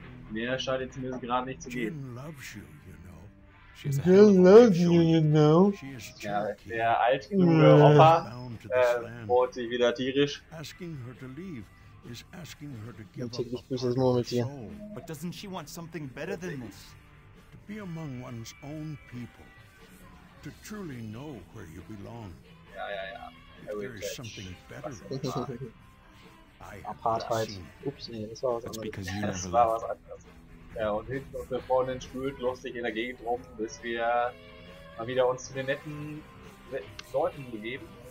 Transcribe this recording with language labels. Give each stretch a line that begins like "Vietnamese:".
German: Mehr scheint jetzt mir gerade nicht zu gehen.
English: Jill loves you, you know. Jill loves you, you know.
German: Ja, der altkluge Opa freut sich wieder tierisch. Natürlich grüßt das nur mit dir.
English: But doesn't she want something better than this? To be among one's own people. To truly know where you belong.
German: Ja.
English: There is something better than Apartheid.
German: Ups, nee, das war was anderes. Das war was anderes. Ja, und hinten unsere Freundin spült lustig in der Gegend rum, bis wir mal wieder uns zu den netten Leuten begeben.